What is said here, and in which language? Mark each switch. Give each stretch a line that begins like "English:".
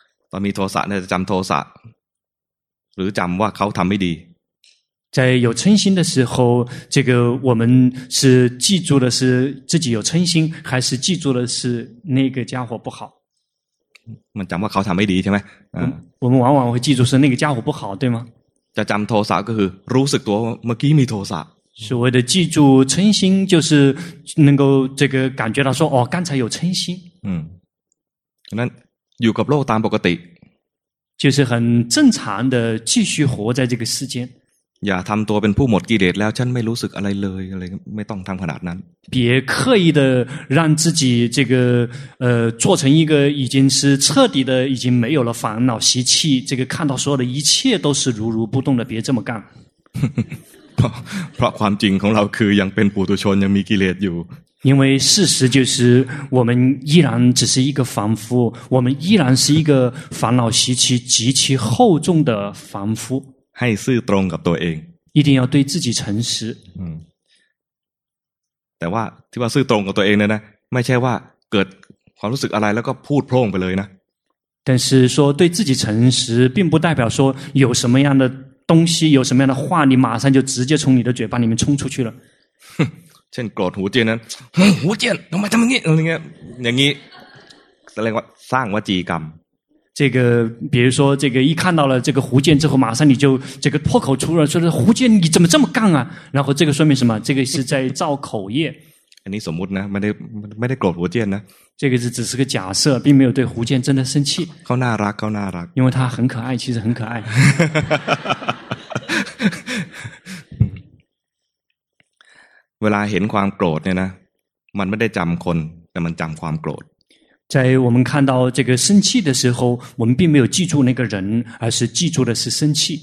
Thai: ตอนมีโทสะเนี่ยจำโทสะหรือจำว่าเขาทำไม่ดี
Chinese: 在有嗔心的时候，这个我们是记住的是自己有嗔心，还是记住的是那个家伙不好？
Thai: มันจำว่าเขาทำไม่ดีใช่ไหม？
Chinese: 我们往往会记住是那个家伙不好，对吗？
Thai: จะจำโทสะก็คือรู้สึกตัวเมื่อกี้มีโทสะ
Chinese: 所谓的记住嗔心就是能够这个感觉到说哦刚才有嗔心
Thai: 那อยู่กับโลกตามปกติ
Chinese: 就是很正常的继续活在这个世间
Thai: อย่าทำตัวเป็นผู้หมดกิเลสแล้วฉันไม่รู้สึกอะไรเลยอะไรไม่ต้องทำขนาดนั้น
Chinese: 别刻意的让自己这个做成一个已经是彻底的已经没有了烦恼习气这个看到所有的一切都是如如不动的别这么干
Thai: เพราะความจริงของเราคือยังเป็นปุถุชนยังมีกิเลสอยู่
Chinese: 因为事实就是我们依然只是一个凡夫我们依然是一个烦恼习气极其厚重的凡夫
Thai: ให้ซื่อตรงกับตัวเอง
Chinese: 一定要对自己诚实
Thai: แต่ว่าที่ว่าซื่อตรงกับตัวเองเนี่ยนะไม่ใช่ว่าเกิดความรู้สึกอะไรแล้วก็พูดโพร่งไปเลยนะ
Chinese: 但是说对自己诚实并不代表说有什么样的东西有什么样的话你马上就直接从你的嘴巴里面冲出去了
Thai: เช่นโกรธหูเจียนนั้นหูเจียนทำไมทำงี้อะไรเงี้ยอย่างงี้แสดงว่าสร้างวจีกรรม
Chinese: 这个比如说这个一看到了这个胡建之后马上你就这个破口出来说胡建你怎么这么杠啊然后这个说明什么这个是在造口业
Thai: อันนี้สมมุตินะไม่ได้โกรธหูเจียนนะ
Chinese: 这个只是个假设并没有对胡建真的生气
Thai: เขาน่ารักเขาน่ารัก
Chinese: 因为他很可爱其实很可爱
Thai: เวลาเห็นความโกรธเนี่ยนะมันไม่ได้จำคนแต่มันจำความโกรธ
Chinese: 在我们看到这个生气的时候我们并没有记住那个人而是记住的是生气